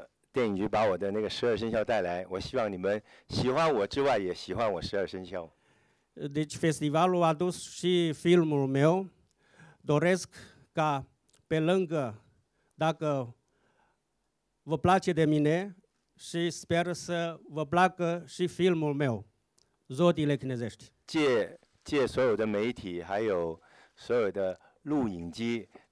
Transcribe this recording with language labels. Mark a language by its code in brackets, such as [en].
[zh] 电影局把我的那个十二生肖带来，我希望你们喜欢我之外，也喜欢我十二生肖。 [ro] Deci festivalul a dus și filmul meu. Doresc ca pe lângă, dacă vă place de mine și sper să vă placă și filmul meu, Zodiile chinezești. [zh] 借所有的媒体还有所有的录影机。